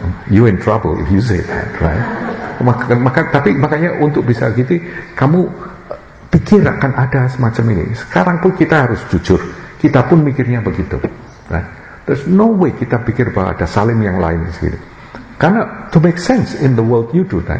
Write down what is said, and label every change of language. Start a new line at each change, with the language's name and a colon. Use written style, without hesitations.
English: You in trouble if you say that, right?
Indonesian: Makanya untuk bisa gitu, kamu pikir akan ada semacam ini. Sekarang pun kita harus jujur. Kita pun mikirnya begitu, right?
English: There's no way
Indonesian: kita pikir bahwa ada Salim yang lain segitu. Karena
English: to make sense in the world you do that.